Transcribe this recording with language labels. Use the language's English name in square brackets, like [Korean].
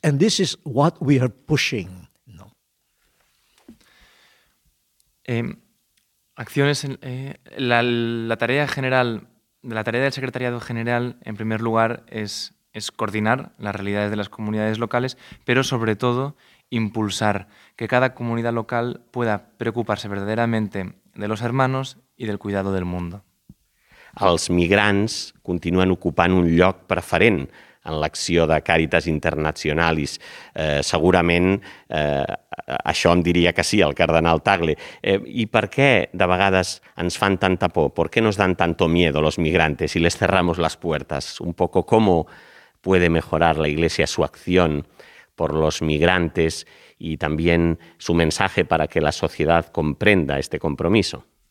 [English] And this is what we are pushing. [Spanish] No. Acciones, la tarea general, la tarea del Secretariado General, en primer lugar, es coordinar las realidades de las comunidades locales, pero sobre todo impulsar que cada comunidad local pueda preocuparse verdaderamente de los hermanos y del cuidado del mundo. [Catalan] Els migrants continuen ocupant un lloc preferent en l'acció de Càritas Internacionalis. Segurament, això em diria que sí, el cardenal Tagle. I per què de vegades ens fan tanta por? [Spanish] ¿Por qué nos dan tanto miedo los migrantes si les cerramos las puertas? Un poco, ¿cómo puede mejorar la Iglesia su acción por los migrantes y también su mensaje para que la sociedad comprenda este compromiso?